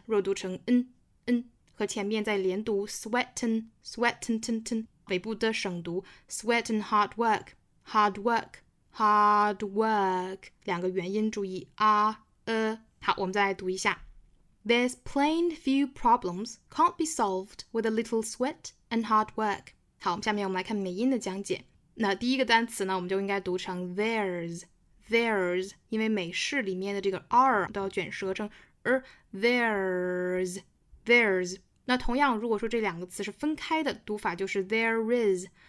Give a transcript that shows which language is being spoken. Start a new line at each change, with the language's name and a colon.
Chinese: 若读成 n n,和前面在连读 sweatin, sweatin, tin, tin, 尾部的省读 sweatin, hard work, hard work, hard work, 两个元音注意 好，我们再来读一下。
English: There's plain few problems can't be solved with a little sweat and hard work.
Chinese: 好，下面我们来看美音的讲解。那第一个单词呢我们就应该读成 there's, there's, 因为美式里面的这个 r 都要卷舌成 there's,there's, 那同样如果说这两个词是分开的读法就是 there is